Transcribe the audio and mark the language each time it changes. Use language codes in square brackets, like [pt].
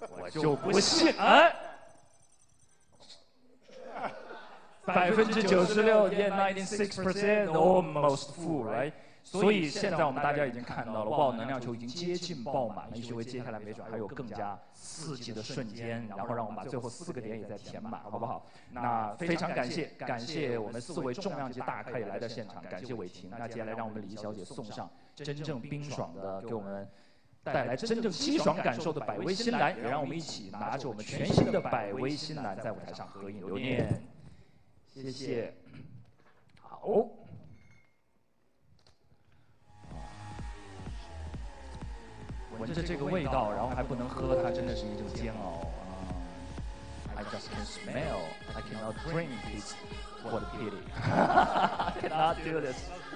[zh] 就不信哎， [en] 96% yeah, 96% almost full, right? [zh] 所以现在我们大家已经看到了，爆能量球已经接近爆满了，以为接下来没准还有更加刺激的瞬间，然后让我们把最后四个点也再填满，好不好？那非常感谢我们四位重量级大咖也来到现场，感谢伟霆。那接下来让我们李小姐送上真正冰爽的，给我们带来真正清爽感受的百威新男，也让我们一起拿着我们全新的百威新男在舞台上合影留念。谢谢。好，闻着这个味道，然后还不能喝，它真的是一种煎熬啊。 [en] I just can smell, I cannot drink this. What a pity. I cannot do this.